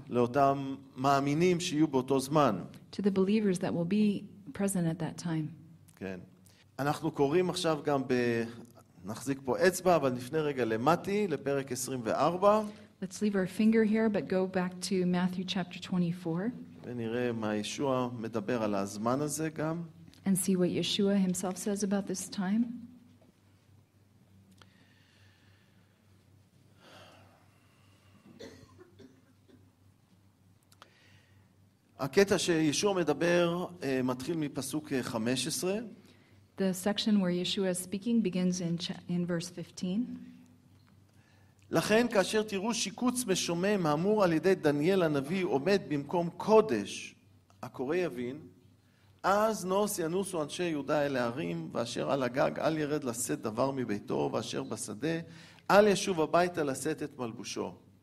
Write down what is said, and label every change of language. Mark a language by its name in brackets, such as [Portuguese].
[Hebrew] לאותם מאמינים שיהיו באותו זמן. [English] To the believers that will be present at that time. [Hebrew] כן. אנחנו קוראים עכשיו גם נחזיק פה אצבע, אבל לפני רגע למתי, לפרק 24. [English] Let's leave our finger here, but go back to Matthew chapter 24. [Hebrew] ונראה מה ישוע מדבר על הזמן הזה גם. [English] And see what Yeshua himself says about this time. [Hebrew] הקטע שישוע מדבר מתחיל מפסוק 15. [English] The section where Yeshua is speaking begins in verse 15. [Hebrew] לכן כאשר תראו שיקוץ משומם האמור על ידי דניאל הנביא עומד במקום קודש הקורא יבין, אז נוס ינוסו אנשי יהודה אל הערים, ואשר על הגג אל ירד לשאת דבר מביתו, ואשר בשדה אל ישוב הביתה לשאת את מלבושו.